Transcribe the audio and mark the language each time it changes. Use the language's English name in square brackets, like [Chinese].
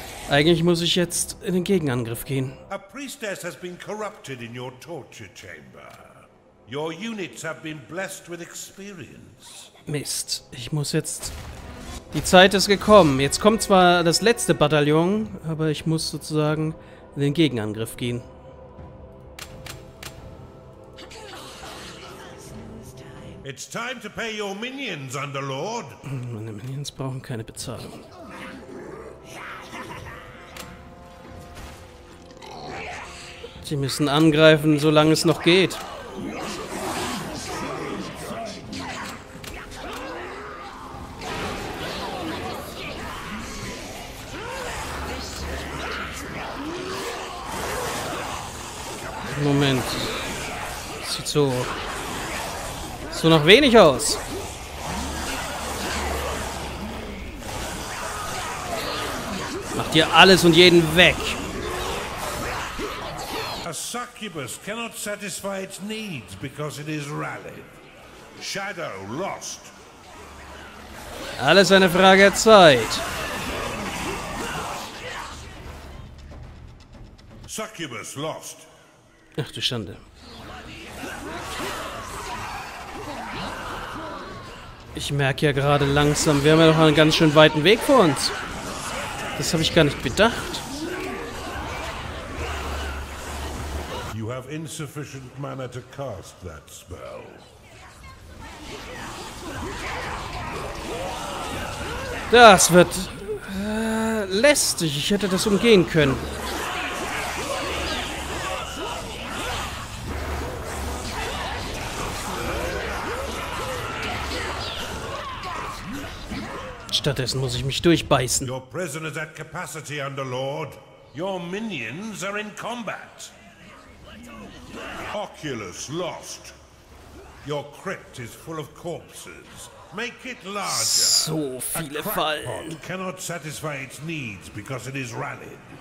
[German] Eigentlich muss ich jetzt in den Gegenangriff gehen. [English] A priestess has been corrupted in your torture chamber. Your units have been blessed with experience. [German] Mist, ich muss jetzt... Die Zeit ist gekommen. Jetzt kommt zwar das letzte Bataillon, aber ich muss sozusagen in den Gegenangriff gehen. [English] It's time to pay your minions, Underlord. [German] Meine Minions brauchen keine Bezahlung. Sie müssen angreifen, solange es noch geht. Moment. Sieht so... So noch wenig aus. Macht ihr alles und jeden weg. [English] A succubus cannot satisfy its needs because it is rallied. Shadow lost. [German] Alles eine Frage der Zeit. [English] Succubus lost. [German] Ach du Schande. Ich merke ja gerade langsam, wir haben ja noch einen ganz schön weiten Weg vor uns. Das habe ich gar nicht bedacht. [English] You have insufficient mana to cast that spell. [German] Das wird lästig. Ich hätte das umgehen können. Stattdessen muss ich mich durchbeißen. [English] Your prisoners at capacity, Underlord. Your minions are in combat. Oculus lost. Your crypt is full of corpses. Make it larger. [German] So viele Fallen. [English] A crackpot cannot satisfy its needs because it is rallied.